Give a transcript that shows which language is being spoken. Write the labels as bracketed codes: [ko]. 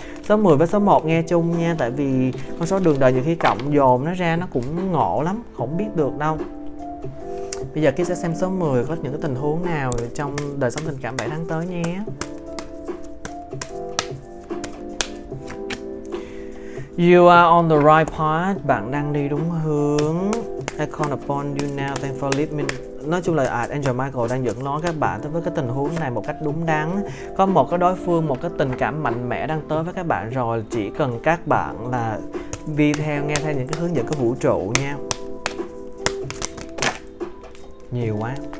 [vi] Số 10 với số 1 nghe chung nha, tại vì con số đường đời nhiều khi cộng dồn nó ra nó cũng ngộ lắm, không biết được đâu. Bây giờ Kiết sẽ xem số 10 có những cái tình huống nào trong đời sống tình cảm 7 tháng tới nhé. [en] You are on the right path, [vi] bạn đang đi đúng hướng. [en] I call upon you now, thanks for listening. [vi] Nói chung là Angel Michael đang dẫn lối các bạn tới với cái tình huống này một cách đúng đắn. Có một cái đối phương, một cái tình cảm mạnh mẽ đang tới với các bạn rồi. Chỉ cần các bạn là đi theo, nghe theo những cái hướng dẫn của vũ trụ nha. Nhiều quá.